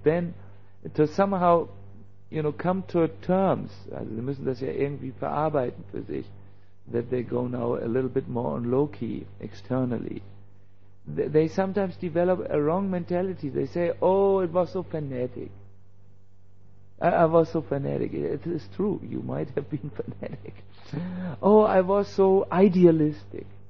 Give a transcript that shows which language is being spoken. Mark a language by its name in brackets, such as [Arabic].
[English] And then to somehow, you know, come to terms. [German] Also, sie müssen das ja irgendwie verarbeiten für sich. [English] That they go now a little bit more on low-key, externally. They sometimes develop a wrong mentality. They say, oh, it was so fanatic. I was so fanatic. It is true, you might have been fanatic. Oh, I was so idealistic.